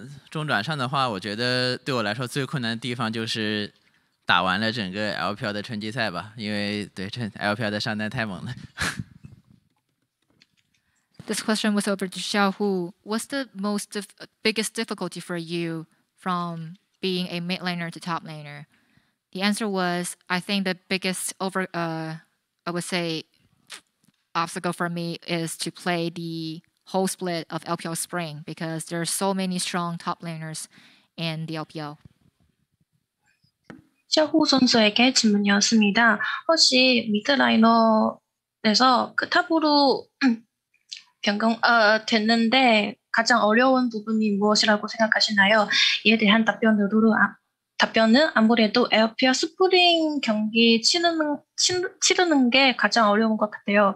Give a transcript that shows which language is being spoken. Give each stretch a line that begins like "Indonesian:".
Chinese: 中转上的话，我觉得对我来说最困难的地方就是打完了整个 LPL 的春季赛吧，因为对这 LPL 的上单太猛了。
English: This question was over to Xiaohu. What's the most biggest difficulty for you from being a mid laner to top laner? The answer was, I think the biggest obstacle for me is to play the whole split of LPL Spring because there are so many strong top laners in the LPL.
Korean: 샤호 선수에게 질문이었습니다. 혹시 미드 라이너에서 그 탑으로 변경 됐는데 가장 어려운 부분이 무엇이라고 생각하시나요? 이에 대한 답변은 아무래도 LPL 스프링 경기 치르는 게 가장 어려운 것 같아요.